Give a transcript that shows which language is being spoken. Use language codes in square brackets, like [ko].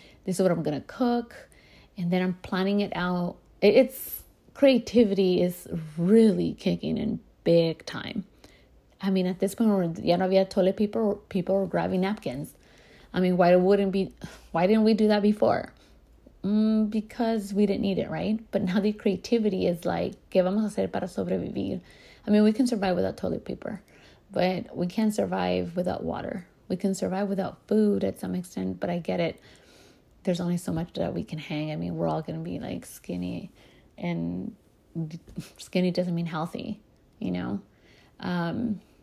[en] This is what I'm going to cook. And then I'm planning it out. It's creativity is really kicking in big time. I mean, at this point, [es] ya no había [en] toilet paper, people were grabbing napkins. I mean, why didn't we do that before? Because we didn't need it, right? But now the creativity is like, [es] ¿qué vamos a hacer para sobrevivir? [en] I mean, we can survive without toilet paper, but we can't survive without water. We can survive without food at some extent, but I get it. There's only so much that we can hang. I mean, we're all going to be like skinny, and skinny doesn't mean healthy, you know?